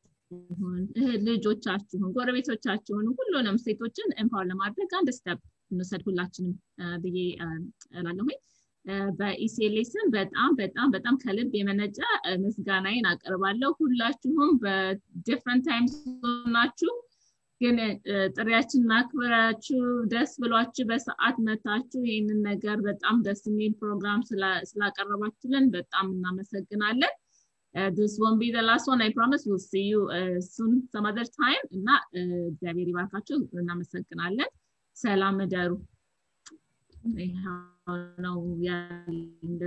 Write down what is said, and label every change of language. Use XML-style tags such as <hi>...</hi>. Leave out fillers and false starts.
<am>እናቶቻችሁን ልጆቻችሁን ጎረቤቶቻችሁን ሁሉንም ሴቶችን ኤምፓወር ለማድረግ አንድ ስቴፕ እንውሰድ ሁላችንም ብዬ እላለሁኝ። በኢሴሌስን በጣም በጣም በጣም ከልብ የመነጨ ምስጋናዬን አቀርባለሁ። ሁላችሁም በዲፍረንት ታይምስ ሆናችሁ ግን ጥሪያችን ማክበራችሁ ደስ ብሏችሁ በሰዓት መታችሁ ይህንን ነገር በጣም ደስ የሚል ፕሮግራም ስላቀረባችሁልን በጣም እናመሰግናለን።</am> <en>This won't be the last one, I promise. We'll see you soon some other time.</en> <am>እና እግዚአብሔር ይባርካችሁ እናመሰግናለን። ሰላም እደሩ።</am> <en>I don't know. Yeah.</en>